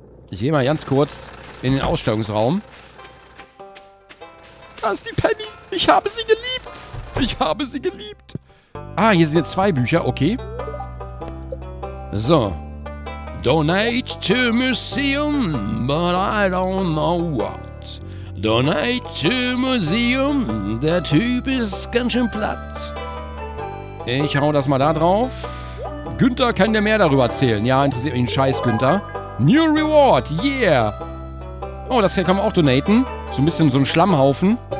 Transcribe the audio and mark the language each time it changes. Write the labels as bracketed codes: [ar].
[de] Ich gehe mal ganz kurz in den Ausstellungsraum. Da ist die Penny. Ich habe sie geliebt. Ich habe sie geliebt. Ah, hier sind jetzt zwei Bücher. Okay. So. [en] Donate to museum, but I don't know what. Donate to museum, [de] der Typ ist ganz schön platt. Ich hau das mal da drauf. Günther, kann dir mehr darüber erzählen? Ja, interessiert mich ein Scheiß, Günther. [en] New Reward, yeah! [de] Oh, das kann man auch donaten. So ein bisschen so ein Schlammhaufen.